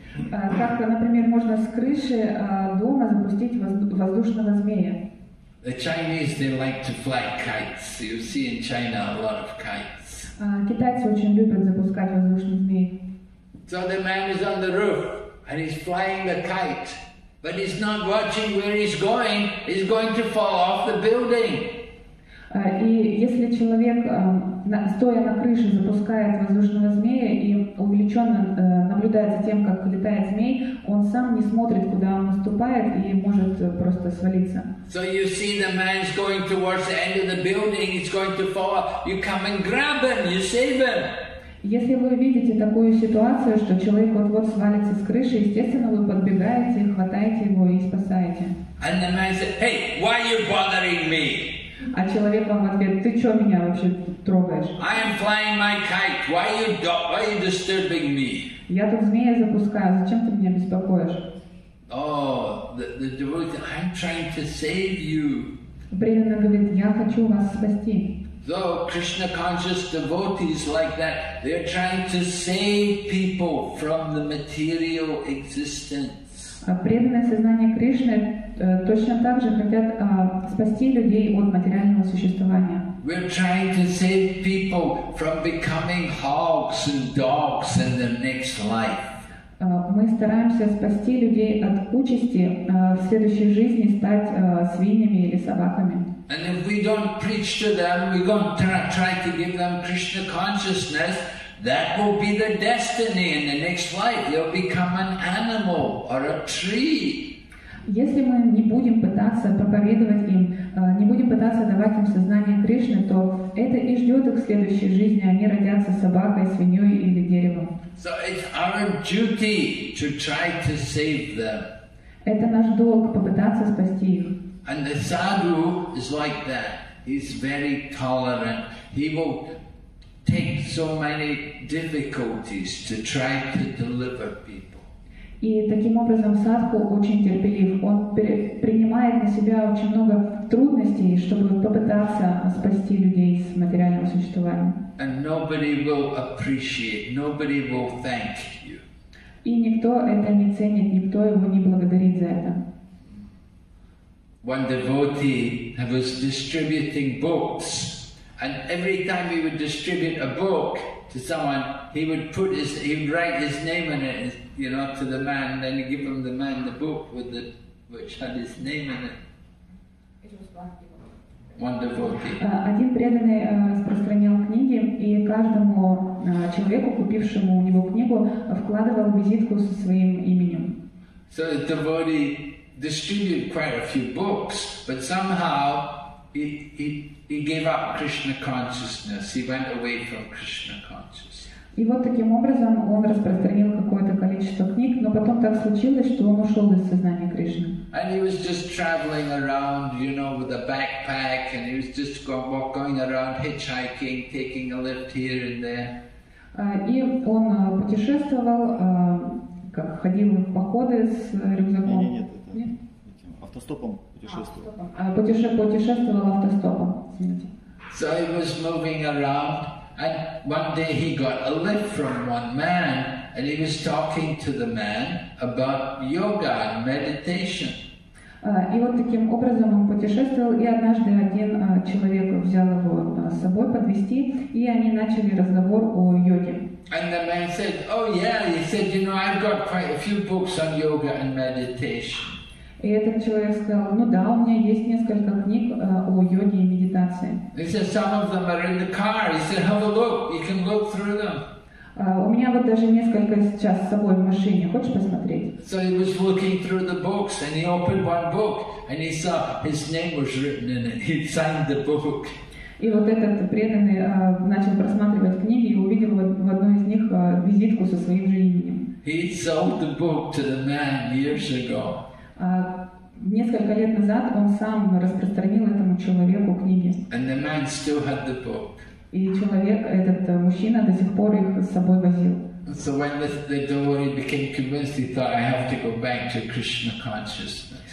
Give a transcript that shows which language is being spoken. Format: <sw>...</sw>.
<ru>Как, например, можно с крыши дома запустить воздушного змея?</ru> <en>The Chinese, they like to fly kites. You see in China a lot of kites.</en> <ru>Китайцы очень любят запускать воздушные змеи.</ru> <en>So the man is on the roof and he's flying the kite, but he's not watching where he's going. He's going to fall off the building.</en> <ru>И если человек стоя на крыше запускает воздушного змея и увлеченно наблюдает за тем, как летает змей, он сам не смотрит, куда он наступает, и может просто свалиться.</ru> <en>So you see the man is going towards the end of the building, he's going to fall off. You come and grab him, you save him.</en> <ru>Если вы видите такую ситуацию, что человек вот-вот свалится с крыши, естественно, вы подбегаете, хватаете его и спасаете.</ru> <en>And the man says, "Hey, why are you bothering me?"</en> <ru>А человек вам ответ: ты что меня вообще трогаешь?</ru> <en>I am flying my kite. Why are you disturbing me?</en> <ru>Я тут змея запускаю. Зачем ты меня беспокоишь?</ru> <en>Oh, the devotee, I'm trying to save you.</en> <ru>Преданный говорит: я хочу вас спасти.</ru> <en>So Krishna conscious devotees like that, they're trying to save people from the material existence.</en> <ru>Преданное сознание Кришны точно так же хотят спасти людей от материального существования.</ru> <en>We're trying to save people from becoming hogs and dogs in the next life.</en> <ru>Мы стараемся спасти людей от участи в следующей жизни стать свиньями или собаками.</ru> <en>And if we don't preach to them, we're going to try to give them Krishna consciousness. That will be their destiny in the next life. They'll become an animal or a tree.</en> <ru>Если мы не будем пытаться проповедовать им, не будем пытаться давать им сознание Кришны, то это и ждет их в следующей жизни. Они родятся собакой, свиньей или деревом.</ru> <en>So it's our duty to try to save them.</en> <ru>Это наш долг попытаться спасти их.</ru> <en>And the sadhu is like that. He's very tolerant. He will take so many difficulties to try to deliver people.</en> <ru>И таким образом садху очень терпелив. Он принимает на себя очень много трудностей, чтобы попытаться спасти людей с материального существования.</ru> <en>And nobody will appreciate, nobody will thank you.</en> <ru>И никто это не ценит, никто его не благодарит за это.</ru> <en>One devotee was distributing books. And every time he would distribute a book to someone, he would put his, he would write his name in it, you know, to the man, and then he'd give him the man the book with the, which had his name in it. One devotee.</en> <ru>Один преданный распространял книги, и каждому человеку, купившему у него книгу, вкладывал визитку со своим именем.</ru> <en>So the devotee distributed quite a few books, but somehow He gave up Krishna consciousness. He went away from Krishna consciousness.</en> <ru>И вот таким образом он распространил какое-то количество книг, но потом так случилось, что он ушел из сознания Кришны.</ru> <en>And he was just traveling around, you know, with a backpack, and he was just going around hitchhiking, taking a lift here and there.</en> <ru>И он путешествовал, как ходил в походы с рюкзаком. Нет. Этим автостопом путешествовал. Путешествовал автостопом.</ru> <en>So he was moving around, and one day he got a lift from one man, and he was talking to the man about yoga and meditation.</en> <ru>И вот таким образом он путешествовал, и однажды один человек взял его с собой подвезти, и они начали разговор о йоге.</ru> <en>And the man said, "Oh yeah," he said, "you know, I've got quite a few books on yoga and meditation."</en> <ru>И этот человек сказал, ну да, у меня есть несколько книг о йоге и медитации.</ru> <en>He said, "Some of them are in the car." He said, "Have a look. You can look through them."</en> <ru>У меня вот даже несколько сейчас с собой в машине. Хочешь посмотреть?</ru> <en>So he was looking through the books, and he opened one book, and he saw his name was written in it. He signed the book.</en> <ru>И вот этот преданный начал просматривать книги и увидел в одной из них визитку со своим же именем.</ru> <en>He sold the book to the man years ago.</en> <ru>Несколько лет назад он сам распространил этому человеку книги.</ru> <en>And the man still had the book.</en> <ru>И человек, этот мужчина, до сих пор их с собой возил.</ru> <en>So when the devotee became convinced, he thought, "I have to go back to Krishna consciousness."</en>